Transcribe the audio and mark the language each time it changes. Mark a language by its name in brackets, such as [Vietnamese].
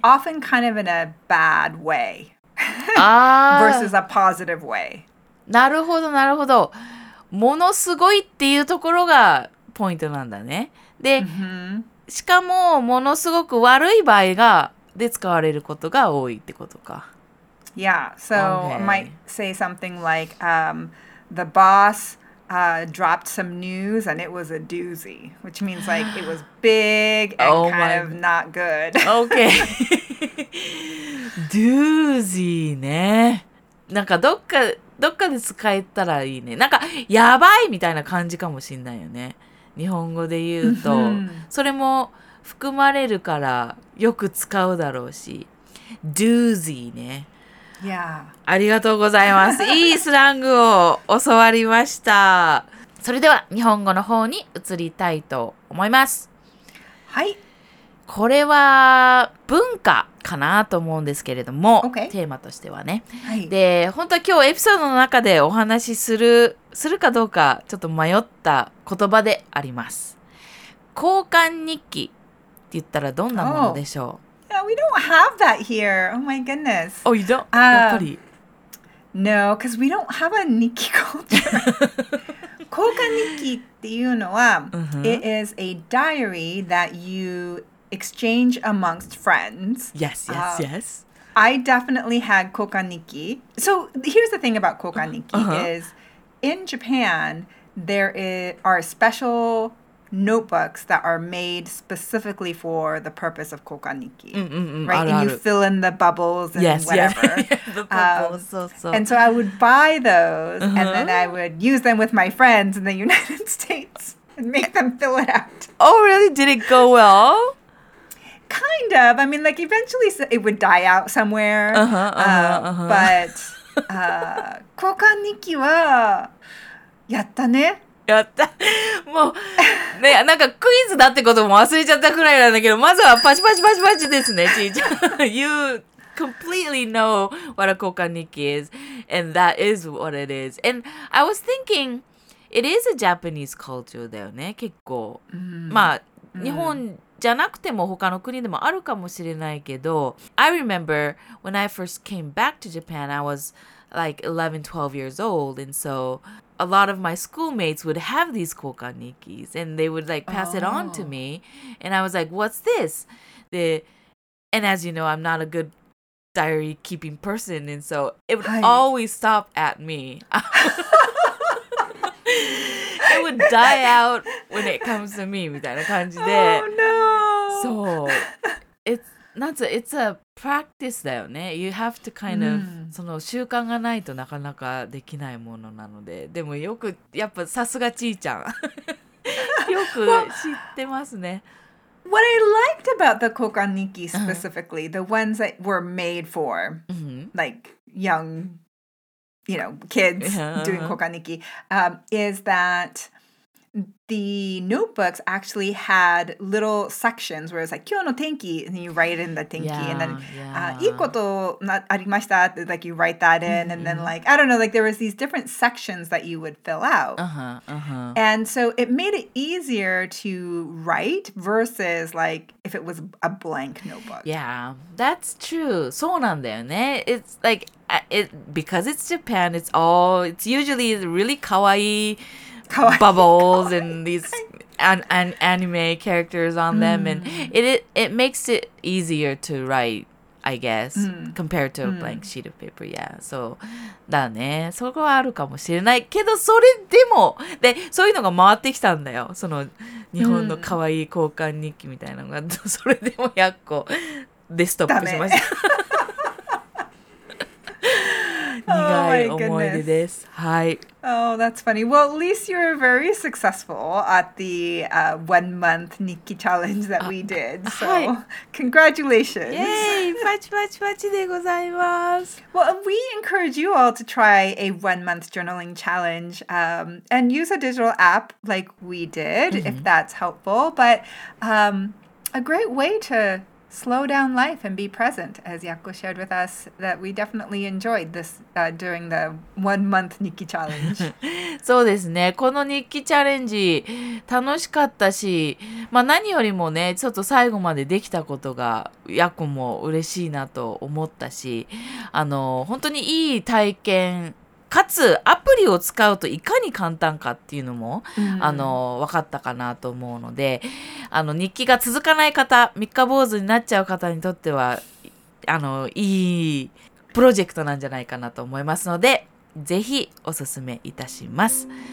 [English] but often kind of in a bad way. versus a positive way. [Japanese] なるほどなるほど、ものすごいっていうところがポイントなんだね。で、 mm-hmm. しかもものすごく悪い場合がで使われることが多いってことか。 [English] Yeah, so、okay. I might say something like、the boss、dropped some news and it was a doozy, which means like it was big and、 oh、 kind of not good. [Japanese] Okay. doozy ね、なんかどっかで使えたらいいね。なんかやばいみたいな感じかもしんないよね、日本語で言うと。それも含まれるからよく使うだろうし。 Doozy ね、 [English] yeah. [Japanese] ありがとうございます。いいスラングを教わりました。それでは日本語の方に移りたいと思います。はい、これは文化かなと思うんですけれども、 [English] okay. [Japanese] テーマとしてはね、はい、で本当は今日エピソードの中でお話しするかどうかちょっと迷った言葉であります。交換日記って言ったらどんなものでしょう。 [English] oh. Yeah, we don't have that here. Oh my goodness. Oh, you don't? [Japanese] やっぱり [English] No, because we don't have a 日記 culture. [Japanese] 交換日記っていうのは、 mm-hmm. [English] It is a diary that youExchange amongst friends. Yes, yes, yes. I definitely had kokaniki. So here's the thing about kokaniki、uh-huh. is in Japan, there are special notebooks that are made specifically for the purpose of kokaniki. Mm-mm-mm, right? And you fill in the bubbles and yes, whatever. Yes, yes. The bubbles, so. And so I would buy those、uh-huh. and then I would use them with my friends in the United States and make them fill it out. Oh, really? Did it go well? Kind of. I mean, like, eventually it would die out somewhere. [Japanese] But, kokaniki wa yatta ne? Yatta. もう、ね、なんかクイズだってことも忘れちゃったくらいなんだけど、まずはパチパチパチパチですね、ちいちゃん。 [English] You completely know what a kokaniki is, and that is what it is. And I was thinking, it is a Japanese culture [Japanese] だよね、結構。 Mm. まあ、mm. 日本じゃなくても他の国でもあるかもしれないけど、 [English] I remember when I first came back to Japan, I was like 11, 12 years old, and so a lot of my schoolmates would have these kokanikis, and they would like pass、oh. it on to me, and I was like, what's this? And as you know, I'm not a good diary keeping person, and so it would、Hi. Always stop at me. It would die out when it comes to me, [Japanese] みたいな感じで。 [English] Oh, no! So, it's a practice [Japanese] だよね。 [English] You have to kind of,、mm. [Japanese] その習慣がないとなかなかできないものなので。でもよく、やっぱさすがちいちゃん。よく知ってますね。 [English] What I liked about the kokaniki specifically,、uh-huh. the ones that were made for,、 mm-hmm. like young, you know, kids、uh-huh. doing kokaniki,、is that the notebooks actually had little sections where it's like, [Japanese] 今日の天気, [English] and then you write in the 天気, yeah, and then, yeah. [Japanese] いいことありました, [English] like you write that in, mm-hmm. and then like, I don't know, like there was these different sections that you would fill out. Uh-huh, uh-huh. And so it made it easier to write versus like if it was a blank notebook. Yeah, that's true. [Japanese] そうなんだよね. [English] It's like, it, because it's Japan, it's all, it's usually really kawaii, bubbles and these and anime characters on them, mm. and it makes it easier to write, I guess, mm. compared to a blank sheet of paper. Yeah, so [Japanese] だね。そこはあるかもしれないけど、それでもでそういうのが回ってきたんだよ。その日本の可愛い交換日記みたいなのが、mm. それでも100個でストップしました。 [English] Oh my goodness. Hi. Oh, that's funny. Well, at least you're very successful at the 1 month Nikki challenge that we did. So, congratulations. [Japanese] Yay! Pach, pach, pach de gozaimasu. [English] Well, we encourage you all to try a 1 month journaling challenge and use a digital app like we did, mm-hmm. if that's helpful. But a great way to slow down life and be present, as Yakko shared with us, that we definitely enjoyed this during the 1 month 日記チャレンジ。 [Japanese] そうですね。この日記チャレンジ楽しかったし、まあ何よりもね、ちょっと最後までできたことがやっこも嬉しいなと思ったし、本当にいい体験、かつアプリを使うといかに簡単かっていうのも、うん、分かったかなと思うので、日記が続かない方、3日坊主になっちゃう方にとってはいいプロジェクトなんじゃないかなと思いますので、ぜひおすすめいたします。